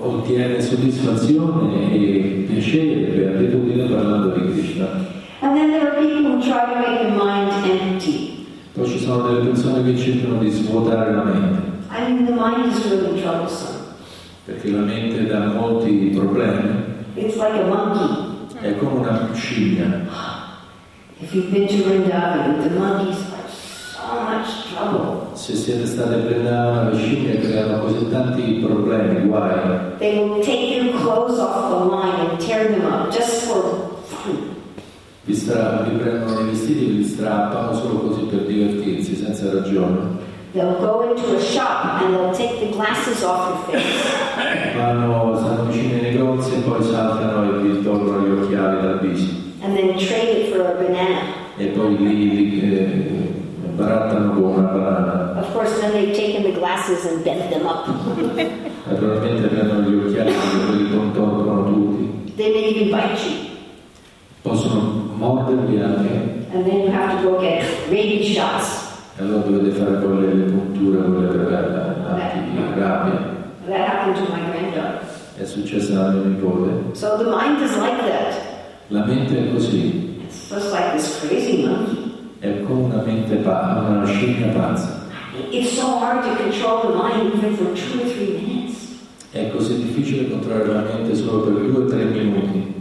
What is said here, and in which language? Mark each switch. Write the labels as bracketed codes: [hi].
[it] ottiene soddisfazione e piacere, beatitudine parlando di Krishna. [en] And then there are people who try to make the mind empty. [it] Poi ci sono delle persone che cercano di svuotare la mente. [en] I mean, the mind is really troublesome. [it] Perché la mente dà molti problemi. [en] It's like a monkey. [it] È come una scimmia. [en] If you've been to Vrindavan, the monkeys are so much trouble. [it] Se siete stati a Vrindavan, le scimmie creano così tanti problemi, guai. [en] They will take your clothes off the line and tear them up just for fun. [it] Vi prendono i vestiti e li strappano solo così per divertirsi, senza ragione. [en] They'll go into a shop and they'll take the glasses off your face. [it] Vanno, stanno vicino ai negozi e poi saltano e vi tolgono gli occhiali dal viso. [en] And then trade it for a banana. [it] E poi li barattano con una banana. [en] Of course, then they've taken the glasses and bent them up. [it] Naturalmente prendono gli occhiali e li contorcono tutti. [en] They may even bite you. [it] Possono morderli anche. [en] And then you have to go get rabies shots. [it] E allora dovete fare con le punture, con le rabbia. [en] That happened to my granddaughter. [it] È successo alla mia nipote. [en] So the mind is like that. [it] La mente è così. [en] It's just like this crazy monkey. [it] È come una mente pazza, una scimmia pazza. [en] It's so hard to control the mind even for 2 or 3 minutes. [it] È così difficile controllare la mente solo per 2 o 3 minuti.